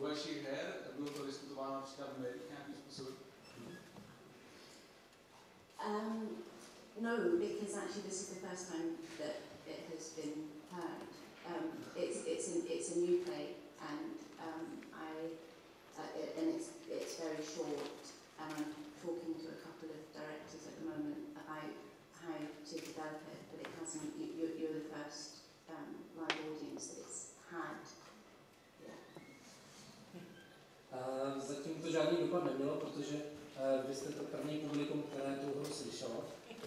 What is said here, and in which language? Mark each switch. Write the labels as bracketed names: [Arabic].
[Czech] vašich her, bylo to diskutováno například v médiích nějakým způsobem? [English] No, because actually this is the first time that it has been heard. It's a new play and it's very short. I'm talking to a couple of directors at the moment about how to develop it, but it hasn't. You're the first live audience that it's had. [Czech] Zatím to žádný dopad nemělo, protože vy jste to první publikum, které tu hru slyšelo.